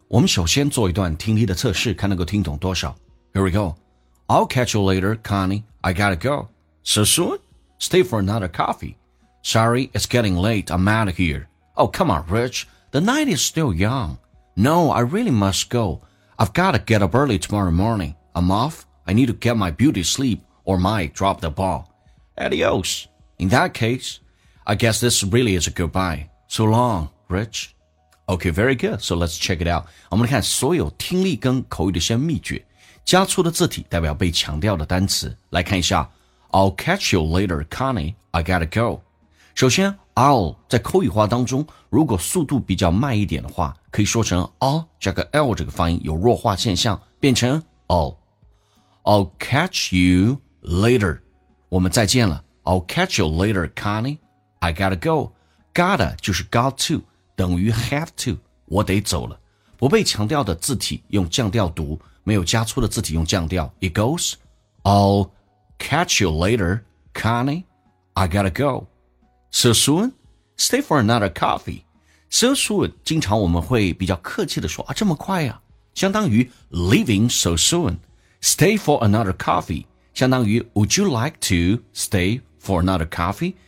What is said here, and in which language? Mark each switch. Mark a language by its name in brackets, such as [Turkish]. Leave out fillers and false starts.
[Chinese] 我们首先做一段听力的测试，看能够听懂多少。 [English] Here we go. I'll catch you later, Connie. I gotta go. So soon? Stay for another coffee. Sorry, it's getting late. I'm out of here. Oh, come on, Rich. The night is still young. No, I really must go. I've gotta get up early tomorrow morning. I'm off. I need to get my beauty sleep or might drop the ball. Adios. In that case, I guess this really is a goodbye. So long, Rich. Okay, very good. So let's check it out. [Chinese] 我们来看所有听力跟口语的一些秘诀。加粗的字体代表被强调的单词。来看一下。 [English] I'll catch you later, Connie. I gotta go. [Chinese] 首先 ,I'll, 在口语化当中如果速度比较慢一点的话可以说成 I'll, 加个 L 这个发音有弱化现象变成 I'll. [English] I'll catch you later. [Chinese] 我们再见了。 [English] I'll catch you later, Connie. I gotta go. [Chinese] Gotta 就是 got to, 等于 have to, 我得走了。不被强调的字体用降调读，没有加粗的字体用降调。 [English] It goes, I'll catch you later, Connie, I gotta go. So soon, stay for another coffee. So soon, [Chinese] 经常我们会比较客气地说，啊，这么快啊，相当于 leaving so soon. [English] Stay for another coffee, [Chinese] 相当于 [English] would you like to stay for another coffee?